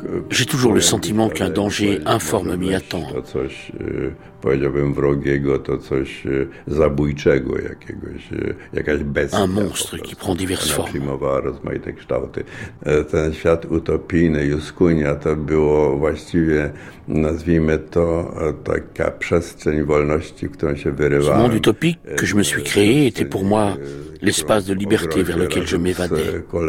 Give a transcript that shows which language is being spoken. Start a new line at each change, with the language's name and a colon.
French: j'ai toujours le sentiment qu'un danger informe m'y attend.
Polish: To coś, powiedziałbym, wrogiego, to coś zabójczego jakiegoś, jakaś bestia.
French: Un monstre qui prend diverses formes.
Polish: Przyjmowała rozmaite kształty. Ten świat utopijny, Juskunia, to było właściwie, nazwijmy to, taka przestrzeń wolności, którą się wyrywałem.
French: Ce monde utopique que je me suis créé était pour moi l'espace de liberté vers lequel je m'évadais.